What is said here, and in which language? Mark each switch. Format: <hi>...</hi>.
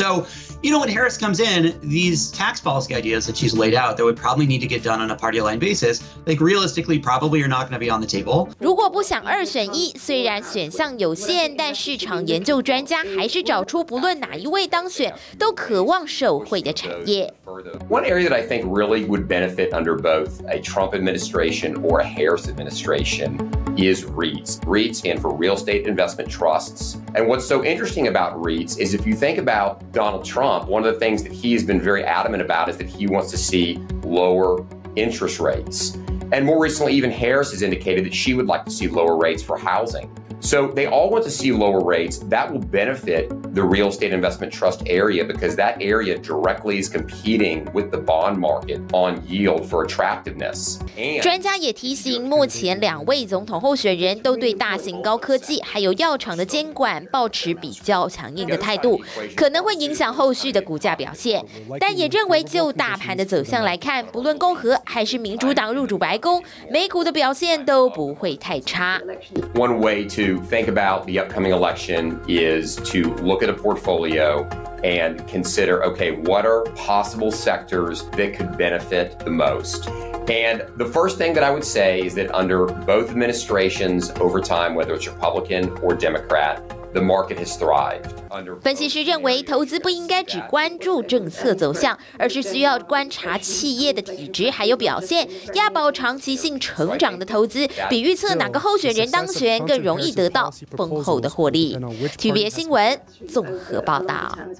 <en>So, you know, when Harris comes in, these tax policy ideas that she's laid out that would probably need to get done on a party line basis, like realistically, probably are not going to be on the table.</en> <zh>如果不想二选一，虽然选项有限，但市场研究专家还是找出不论哪一位当选，都渴望受惠的产业。</zh> <en>One area that I think really would benefit under both a Trump administration or a Harris administration is REITs. REITs stand for real estate investment trusts. And what's so interesting about REITs is if you think about Donald Trump, one of the things that he has been very adamant about is that he wants to see lower interest rates. And more recently, even Harris has indicated that she would like to see lower rates for housing. So they all want to see lower rates. That will benefit the real estate investment trust area because that area directly is competing with the bond market on yield for attractiveness.</en> <zh>专家也提醒，目前两位总统候选人都对大型高科技还有药厂的监管抱持比较强硬的态度，可能会影响后续的股价表现。但也认为，就大盘的走向来看，不论共和还是民主党入主白宫，美股的表现都不会太差。</zh> <en>One way to think about the upcoming election is to look at a portfolio and consider, okay, what are possible sectors that could benefit the most? And the first thing that I would say is that under both administrations over time, whether it's Republican or Democrat,The market has thrived.</en> <zh>分析师认为，投资不应该只关注政策走向，而是需要观察企业的体质还有表现。要保长期性成长的投资，比预测哪个候选人当选更容易得到丰厚的获利。 TVBS新闻综合报道。</zh>